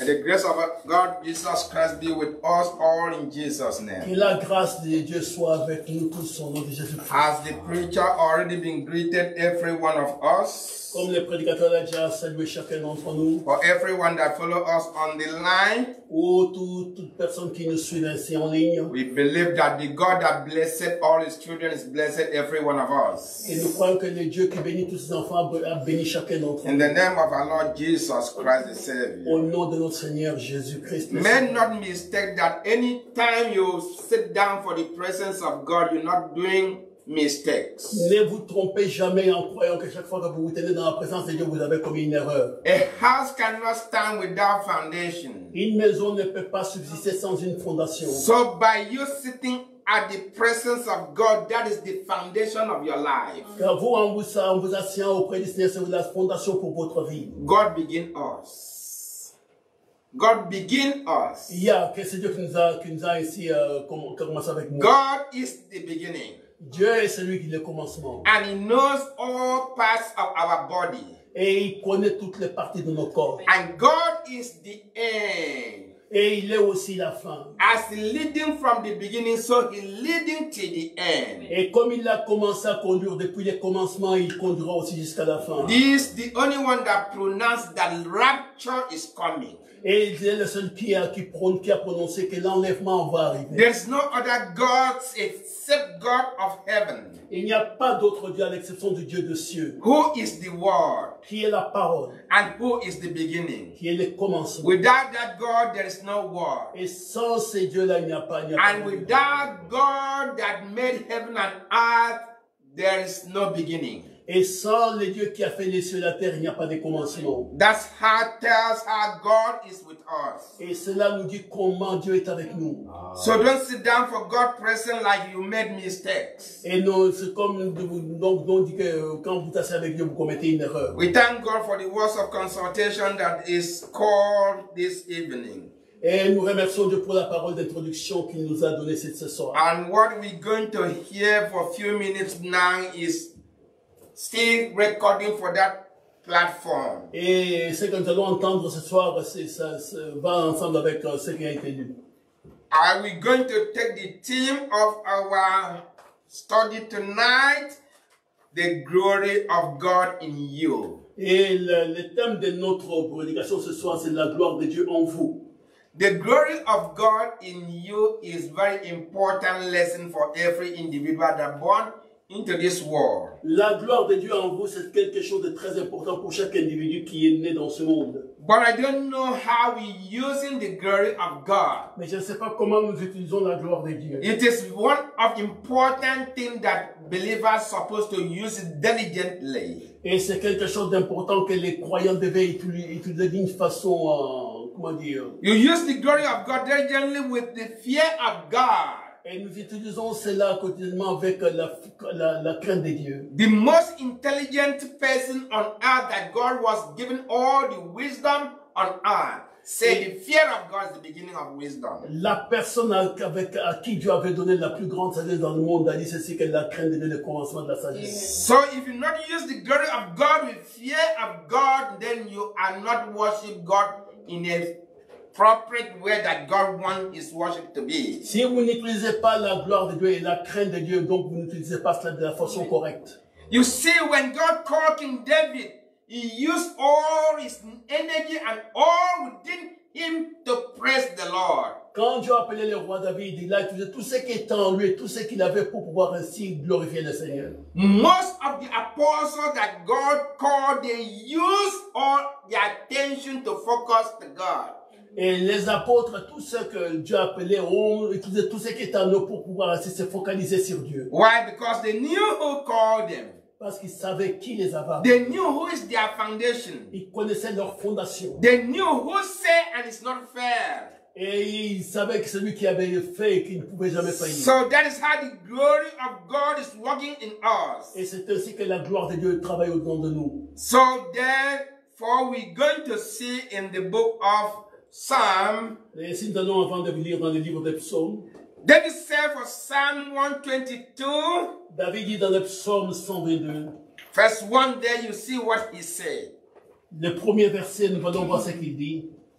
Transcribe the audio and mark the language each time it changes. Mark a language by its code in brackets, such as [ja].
[en] And the grace of God, Jesus Christ, be with us all in Jesus' name. [fr] Que la grâce de Dieu soit avec nous tous au nom de Jésus-Christ. [en] Has the preacher already been greeted, every one of us? [fr] Comme le prédicateur l'a déjà salué chacun d'entre nous. [en] For everyone that follow us on the line. [fr] Ou toute personne qui nous suit ainsi en ligne. [en] We believe that the God that blessed all his children is blessed every one of us. [fr] Et nous croyons que le Dieu qui bénit tous ses enfants a béni chacun d'entre nous. [en] In the name of our Lord Jesus Christ the Savior. [fr] Au nom de notre Seigneur Jésus Christ. [en] May not mistake that any time you sit down for the presence of God, you're not doing mistakes. [fr] Ne vous trompez jamais en croyant que chaque fois que vous vous tenez dans la présence de Dieu, vous avez commis une erreur. [en] A house cannot stand without foundation. [fr] Une maison ne peut pas subsister sans une fondation. [en] So by you sitting at the presence of God, that is the foundation of your life. [fr] Car vous en vous asseyant auprès du Seigneur, c'est la fondation pour votre vie. [en] God begin us. God begin us. [fr] Yeah, que c'est Dieu qui nous a ici commencé avec moi. [en] God is the beginning. [fr] Dieu est celui qui est le commencement. [en] And he knows all parts of our body. [fr] Et il connaît toutes les parties de nos corps. [en] And God is the end. [fr] Et il est aussi la fin. [en] As leading from the beginning, so he leading to the end. [fr] Et comme il a commencé à conduire depuis le commencement, il conduira aussi jusqu'à la fin. [en] He is the only one that pronounced that rapture is coming. [fr] Et il est le seul qui a prononcé que l'enlèvement va arriver. [en] There's no other gods except God of heaven. [fr] Il n'y a pas d'autre Dieu à l'exception du Dieu de cieux. [en] Who is the Word? [fr] Qui est la parole? [en] And who is the beginning? [fr] Qui est le commencement? [en] Without that God, there is no Word. [fr] Et sans ces dieux-là, il n'y a pas. [en] And without God that made heaven and earth, there is no beginning. [fr] Et sans le Dieu qui a fait les cieux et la terre, il n'y a pas de commencement. [en] That's how tells how God is with us. [fr] Et cela nous dit comment Dieu est avec nous. [en] So don't sit down for God's presence like you made mistakes. [fr] Et non, c'est comme donc dit que quand vous êtes avec Dieu, vous commettez une erreur. [en] We thank God for the words of consultation that is called this evening. [fr] Et nous remercions Dieu pour la parole d'introduction qu'il nous a donnée cette soir. [en] And what we're going to hear for a few minutes now is still recording for that platform. [fr] Et ce que nous allons entendre ce soir, ça va ensemble avec ce qui a été dit. [en] Are we going to take the theme of our study tonight, the glory of God in you? [fr] Et le thème de notre prédication ce soir, c'est la gloire de Dieu en vous. [en] The glory of God in you is very important lesson for every individual that born into this world. [fr] La gloire de Dieu en vous, c'est quelque chose de très important pour chaque individu qui est né dans ce monde. [en] But I don't know how we're using the glory of God. [fr] Mais je ne sais pas comment nous utilisons la gloire de Dieu. [en] It is one of important things that believers are supposed to use diligently. [fr] Et c'est quelque chose d'important que les croyants devaient utiliser d'une façon, comment dire? [en] You use the glory of God diligently with the fear of God. [fr] Et nous utilisons cela quotidiennement avec la crainte de Dieu. [en] The most intelligent person on earth that God was given all the wisdom on earth. [fr] C'est [en] the fear of God is the beginning of wisdom. [fr] La personne à qui Dieu avait donné la plus grande sagesse dans le monde a dit ceci que la crainte est le commencement de la sagesse. Yeah. [en] So if you not use the glory of God with fear of God, then you are not worship God in a proper way that God wants his worship to be. [fr] Si vous n'utilisez pas la gloire de Dieu et la crainte de Dieu, donc vous n'utilisez pas cela de la façon correcte. [en] You see, when God called King David, he used all his energy and all within him to praise the Lord. [fr] Quand Dieu appelait le roi David, il a utilisé tout ce qui était en lui et tout ce qu'il avait pour pouvoir ainsi glorifier le Seigneur. [en] Most of the apostles that God called, they used all their attention to focus to God. [fr] Et les apôtres, tous ceux que Dieu appelait, ont utilisé tout ce qui est en eux pour pouvoir ainsi se focaliser sur Dieu. [en] Why? Because they knew who called them. [fr] Parce qu'ils savaient qui les avait. [en] They knew who is their foundation. [fr] Ils connaissaient leur fondation. [en] They knew who said and it's not fair. [fr] Et ils savaient que celui qui avait fait et qu'il ne pouvait jamais faillir. [en] So that is how the glory of God is working in us. [fr] Et c'est ainsi que la gloire de Dieu travaille au-dedans de nous. [en] So therefore we're going to see in the book of Psalm. [fr] Et nous avant de lire dans le livre des psaumes. [en] David said for Psalm 122. [fr] David dit dans le psaume 122. [en] First one there, you see what he said. [fr] Le premier verset, nous allons voir ce qu'il dit.